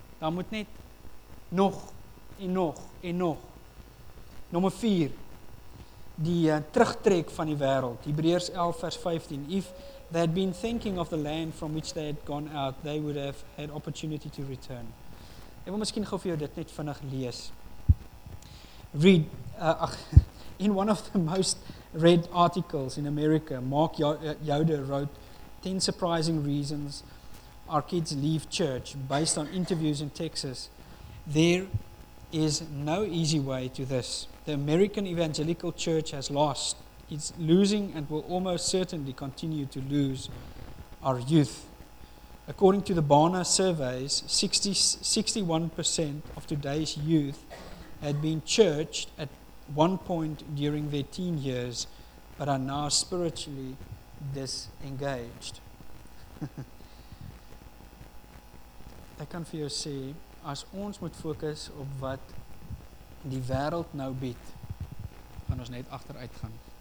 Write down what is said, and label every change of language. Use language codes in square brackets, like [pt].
[af] Daar moet net nog en nog en nog. Nommer 4, die terugtrek van die wêreld. Hebreërs 11 vers 15, [en] they had been thinking of the land from which they had gone out, they would have had opportunity to return. [af] Ek wil miskien gou vir jou dit net vinnig lees. [en] Read, in one of the most read articles in America, Mark Yoder wrote, 10 surprising reasons our kids leave church, based on interviews in Texas. There is no easy way to this. The American Evangelical Church has lost. It's losing and will almost certainly continue to lose our youth. According to the Barna surveys, 61% of today's youth had been churched at one point during their teen years, but are now spiritually disengaged. [af] Ek kan vir jou sê, as ons moet focus op wat die wêreld nou bied, gaan ons net agteruit gaan.